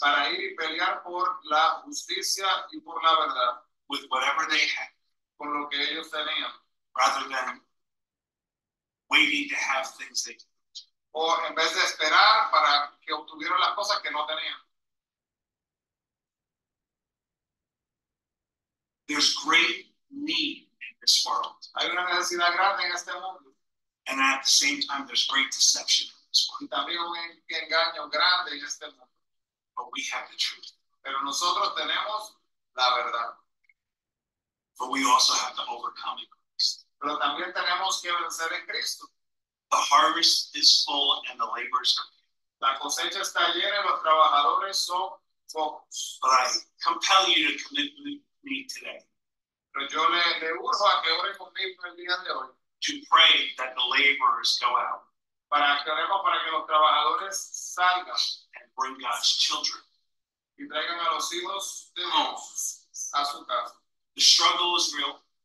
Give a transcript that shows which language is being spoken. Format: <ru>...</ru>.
<es>Para ir y pelear por la justicia y por la verdad.</es> <en>With whatever they had.</en> <es>Con lo que ellos tenían.</es> <en>Rather than waiting to have things they didn't.</en> <es>O en vez de esperar para que obtuvieran las cosas que no tenían.</es> <en>There's great need. This world.</en> <es>Hay una necesidad grande en este mundo.</es> <en>And at the same time, there's great deception in this world.</en> <es>Y también un engaño grande en este mundo.</es> <en>But we have the truth.</en> <es>Pero nosotros tenemos la verdad.</es> <en>But we also have to overcome it.</en> <es>Pero también tenemos que vencer en Cristo.</es> <en>The harvest is full and the laborers are few.</en> <es>La cosecha está llena y los trabajadores son pocos.</es> <en>But I compel you to commit with me today.</en> <es>Pero yo le urjo a que ore conmigo el día de hoy.</es> <en>To pray that the laborers go out.</en> <es>Para que los trabajadores salgan.</es> <en>And bring God's children.</en> <es>Y traigan a los hijos de Dios a su casa.</es> <en>The struggle is real.</en>